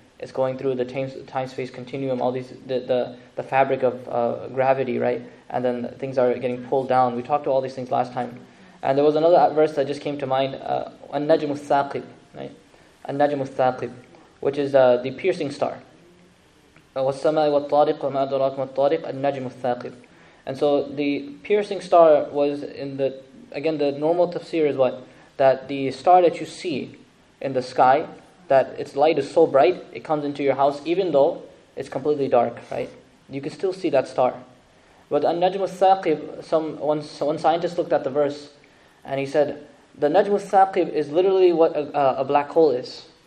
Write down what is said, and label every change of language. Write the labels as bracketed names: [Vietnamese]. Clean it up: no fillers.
[English] It's going through the time-space continuum, all these the fabric of gravity, right? And then things are getting pulled down. We talked about all these things last time. And there was another verse that just came to mind, An-Najm al-Thaqib, right? An-Najm al-Thaqib, which is the piercing star. [Arabic] وَالسَّمَاءِ وَالطَّارِقِ وَمَا أَدْرَاكَ مَا الطَّارِقِ An-Najm al-Thaqib. [English] And so the piercing star was in the, again, the normal tafsir is what? That the star that you see in the sky, that its light is so bright, it comes into your house, even though it's completely dark, right? You can still see that star. But An-Najm al-Thaqib, one scientist looked at the verse, and he said, the Najm al-Thaqib is literally what a black hole is.